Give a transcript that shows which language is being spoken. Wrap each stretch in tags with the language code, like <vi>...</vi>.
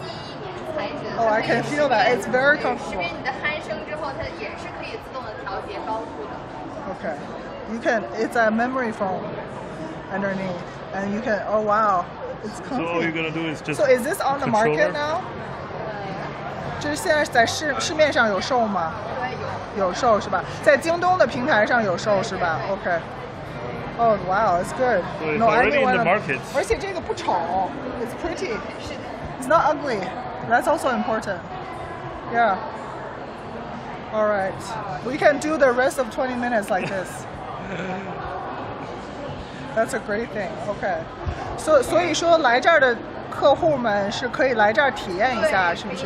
<zh>对，就是这样。而且我们这个床垫是记忆棉材质的。Oh,</zh> <en>I can feel that. It's very comfortable.</en> <zh>识别你的鼾声之后，它也是可以自动的调节高度的。Okay,</zh> <en>you can. It's a memory foam underneath, and you can. Oh wow, it's comfy. So all you're gonna do is just. So is this on the market now?</en> <zh>这现在在市面上有售吗？有售是吧？在京东的平台上有售是吧 ？Okay.</zh> <en>Oh wow, it's good. So it's already in the market.</en> <zh>而且这个不丑, it's pretty. 是的。</zh> <en>It's not ugly. That's also important. Yeah. All right. We can do the rest of 20 minutes like this. That's a great thing. Okay.</en> <zh>So, 所以说来这儿的客户们是可以来这儿体验一下，是不是？</zh>